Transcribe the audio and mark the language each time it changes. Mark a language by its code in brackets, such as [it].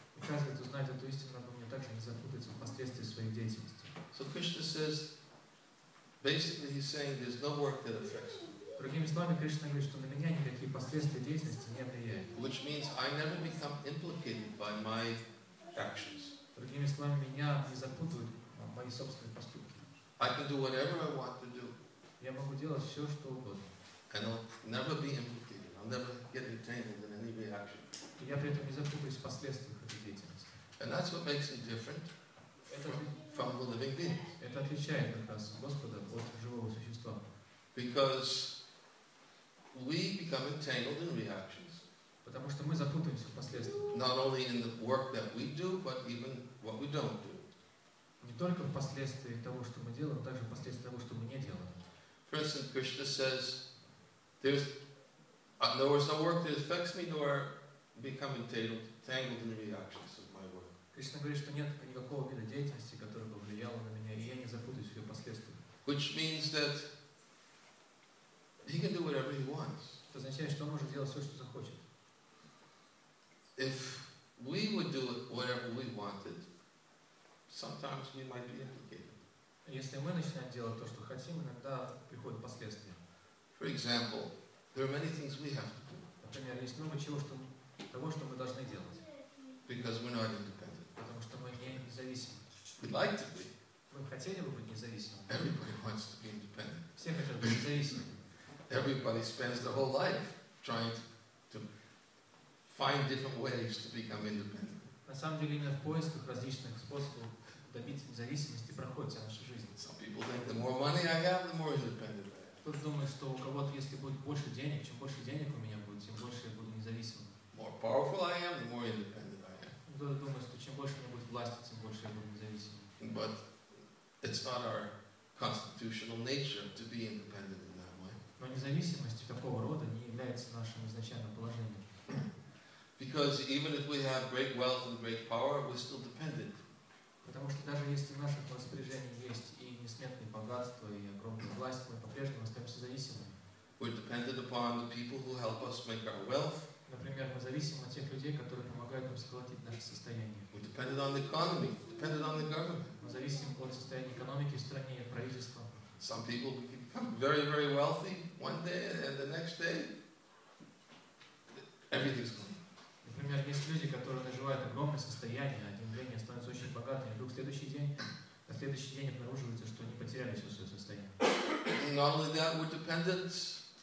[ru] И каждый, кто знает эту истину обо мне, также не запутается в последствиях своей деятельности. [en] So Krishna says, basically he's saying there's no work that affects me. [ru] Другими словами, Кришна говорит, что на меня никакие последствия деятельности не влияют. [en] Which means I never become implicated by my actions. [ru] Другими словами, меня не запутывают мои собственные поступки. [en] I can do whatever I want to do. [ru] Я могу делать все, что угодно. [en] And I'll never be implicated. I'll never get entangled in any reaction. [ru] И я при этом не запутаюсь в последствиях этой деятельности. [en] And that's what makes me different from the living being. [ru] Это отличает как раз Господа от живого существа. [en] Because we become entangled in reactions. [ru] Потому что мы запутываемся в последствиях. [en] Not only in the work that we do, but even what we don't do. [ru] Не только в последствии того, что мы делаем, также в последствии того, что мы не делаем. [en] For instance, Krishna says, there's no work that affects me nor become entangled in the reactions of my work. [ru] Krishna говорит, что нет никакого вида деятельности, которая бы влияла на меня, и я не запутаюсь в ее последствиях. [en] Which means that he can do whatever he wants. [ru] Это означает, что он может делать все, что захочет. [en] If we would do whatever we wanted, sometimes we might be implicated. [ru] Если мы начинаем делать то, что хотим, иногда приходят последствия. [en] For example, there are many things we have to do. [ru] Например, есть много чего, что мы должны делать. [en] Because we're not independent. [ru] Потому что мы не независимы. [en] We'd like to be. [ru] Мы хотели бы быть независимыми. [en] Everybody wants to be independent. [ru] Все хотят быть независимыми. [en] Everybody spends their whole life trying to find different ways to become independent. [ru] На самом деле, именно в поисках различных способов добиться независимости проходит вся наша жизнь. [en] Some people think the more money I have, the more independent I am. [ru] Кто-то думает, что у кого-то, если будет больше денег, чем больше денег у меня будет, тем больше я буду независимым. [en] More powerful I am, the more independent I am. [ru] Кто-то думает, что чем больше у меня будет власти, тем больше я буду независимым. [en] But it's not our constitutional nature to be independent in that way. [ru] Но независимость такого рода не является нашим изначальным положением. [en] Because even if we have great wealth and great power, we're still dependent. [ru] Потому что даже если в нашем распоряжении есть и несметные богатства, и огромная власть, мы по-прежнему остаемся зависимыми. [en] We're dependent upon the people who help us make our wealth. [ru] Например, мы зависим от тех людей, которые помогают нам сколотить наше состояние. [en] We're dependent on the economy. We're dependent on the government. [ru] Мы зависим от состояния экономики в стране и от правительства. [en] Some people become very, very wealthy one day, and the next day everything's gone. [ru] Например, есть люди, которые наживают огромное состояние, один день становятся очень богатыми, вдруг на следующий день обнаруживается, что они потеряли все свое состояние.